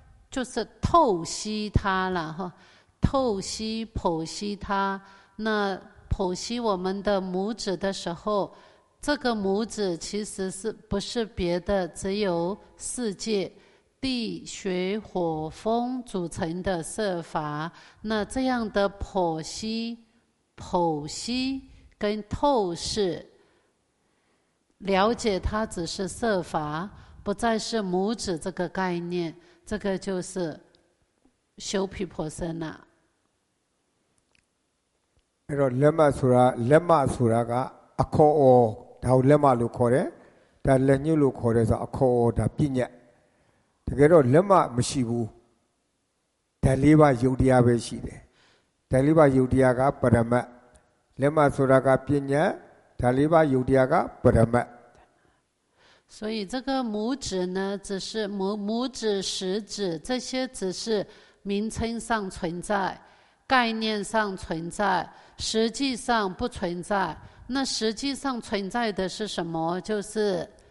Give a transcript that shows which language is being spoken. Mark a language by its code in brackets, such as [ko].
[zh] 就是透析它了透析剖析它那剖析我们的拇指的时候这个拇指其实是不是别的只有四界地水火风组成的色法那这样的剖析剖析跟透视了解它只是色法不再是拇指这个概念这个就是修毗婆舍那 [my] အဲ့တော့လက်မဆိုတာလက်မဆိုတာကအခေါ်အော်ဒါကိုလက်မလို့ခေါ်တယ်ဒါလက်ညှို့လို့ခေါ်တယ်ဆိုတာအခေါ်အော်ဒါပညာတကယ်တော့လက်မမရှိဘူးဓာတ်လေးပါယုတ်တရားပဲရှိတယ်ဓာတ်လေးပါယုတ်တရားကပရမတ်လက်မဆိုတာကပညာဓာတ်လေးပါယုတ်တရားကပရမတ် [zh] 所以这个拇指呢只是拇指食指这些只是名称上存在概念上存在实际上不存在那实际上存在的是什么就是